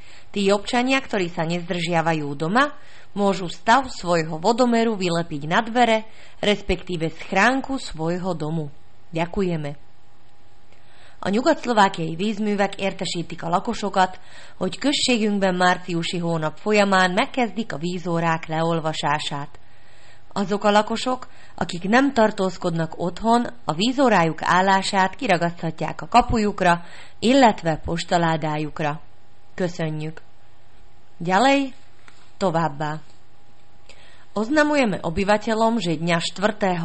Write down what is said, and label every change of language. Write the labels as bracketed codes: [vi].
[sk] Tí občania, ktorí sa nezdržiavajú doma, môžu stav svojho vodomeru vylepiť na dvere, respektíve schránku svojho domu. Ďakujeme. [hu] A nyugatszlovákiai vízművek értesítik a lakosokat, hogy községünkben márciusi hónap folyamán megkezdik a vízórák leolvasását. Azok a lakosok, akik nem tartózkodnak otthon, a vízórájuk állását kiragaszthatják a kapujukra, illetve postaládájukra. Köszönjük! [sk] Ďalej, [hu] továbbá. [sk] Oznamujeme obyvateľom, že dňa 4.